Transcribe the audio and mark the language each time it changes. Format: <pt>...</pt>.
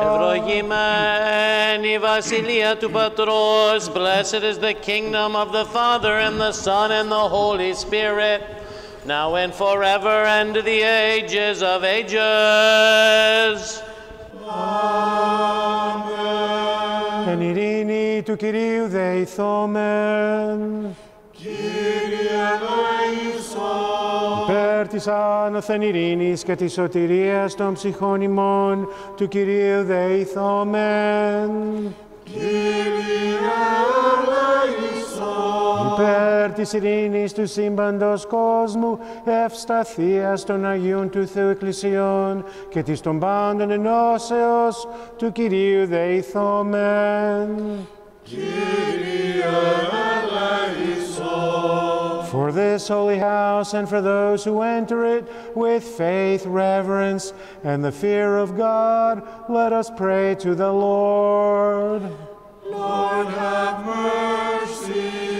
<el>Ευλογημένη η Βασιλεία του Πατρός.</el> <en>Blessed is the kingdom of the Father and the Son and the Holy Spirit. Now and forever and the ages of ages. Amen.</en> <el>Εν ειρήνη του Κυρίου δεηθώμεν. Κύριε ελέησον. Υπέρ της άνωθεν ειρήνης και της σωτηρίας των ψυχών ημών του Κυρίου δεηθώμεν. Κύριε ελέησον. Υπέρ της ειρήνης του σύμπαντος κόσμου, ευσταθίας των Αγίων του Θεού Εκκλησιών και της των πάντων ενώσεως του Κυρίου δεηθώμεν. Κύριε ελέησον.</el> <en>For this holy house and for those who enter it with faith, reverence, and the fear of God, let us pray to the Lord. Lord, have mercy.</en>